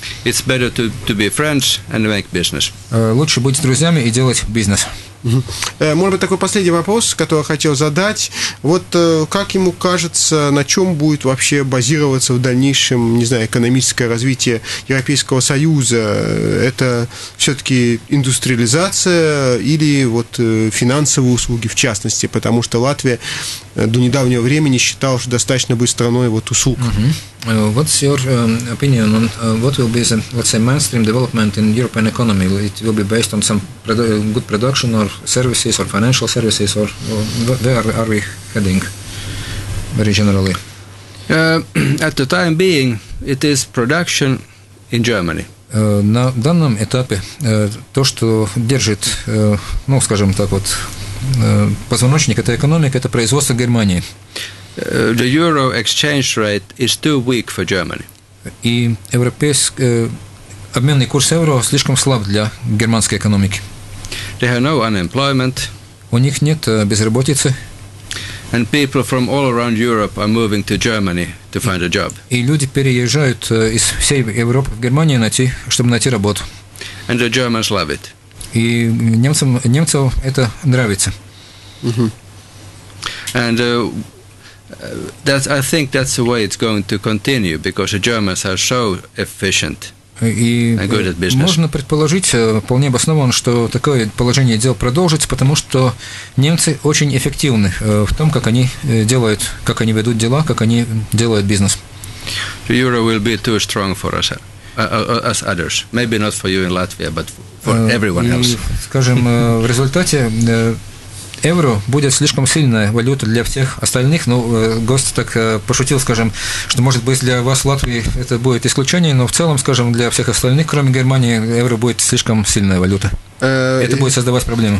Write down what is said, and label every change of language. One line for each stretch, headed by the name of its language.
English: It's better to be friends and make business.
Russian: Лучше быть с друзьями и делать бизнес. Может быть, такой последний вопрос, который я хотел задать. Вот как ему кажется, на чем будет вообще базироваться в дальнейшем, не знаю, экономическое развитие Европейского Союза? Это все-таки индустриализация или вот финансовые услуги в частности? Потому что Латвия до недавнего времени считала, что достаточно быть страной вот услуг.
English: What's your opinion on what will be the, let's say, mainstream development in European economy? It will be based on some good production or services or financial services, or where are we heading very generally? At the time being, it is production in Germany.
Russian: На данном этапе то, что держит, ну, скажем так вот, позвоночник этой экономики, это производство Германии.
English: The euro exchange rate is too weak for Germany.
Russian: И европейский обменный курс евро слишком слаб для германской экономики.
English: They have no unemployment.
Russian: У них нет безработицы.
English: And people from all around Europe are moving to Germany to find a job.
Russian: И люди переезжают из всей Европы в Германию, чтобы найти работу.
English: And the Germans love it.
Russian: И немцам это нравится.
English: And that's, I think that's the way it's going to continue, because the Germans are so efficient and good at business.
Russian: Можно предположить, вполне обоснованно, что такое положение дел продолжится, потому что немцы очень эффективны в том, как они делают, как они ведут дела, как они делают бизнес.
English: The euro will be too strong for us, as others. Maybe not for you in Latvia, but for everyone else.
Russian: Скажем, в результате евро будет слишком сильная валюта для всех остальных. Ну, гость так пошутил, скажем, что, может быть, для вас в Латвии это будет исключение, но в целом, скажем, для всех остальных, кроме Германии, евро будет слишком сильная валюта. Это будет создавать проблемы.